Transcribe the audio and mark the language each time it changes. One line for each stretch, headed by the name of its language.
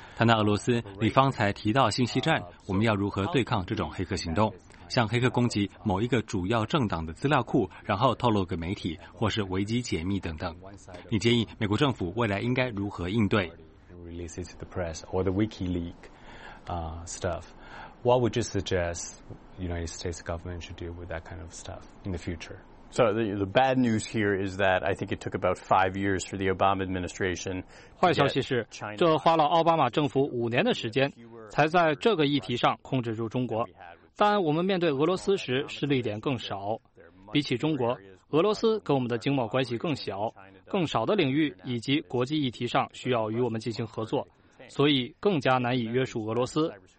Chinese: 谈到俄罗斯，你方才提到信息战，我们要如何对抗这种黑客行动，像黑客攻击某一个主要政党的资料库，然后透露给媒体，或是危机解密等等。你建议美国政府未来应该如何应对？
English: Releases to the press or the WikiLeaks stuff. What would you suggest the United States government should do with that kind of stuff in the future? So the bad news here is that I think it took about 5 years for the Obama administration.
Chinese: 坏消息是，这花了奥巴马政府5年的时间，才在这个议题上控制住中国。但我们面对俄罗斯时失利点更少，比起中国，俄罗斯跟我们的经贸关系更小。更少的领域以及国际议题上需要与我们进行合作，所以更加难以约束俄罗斯。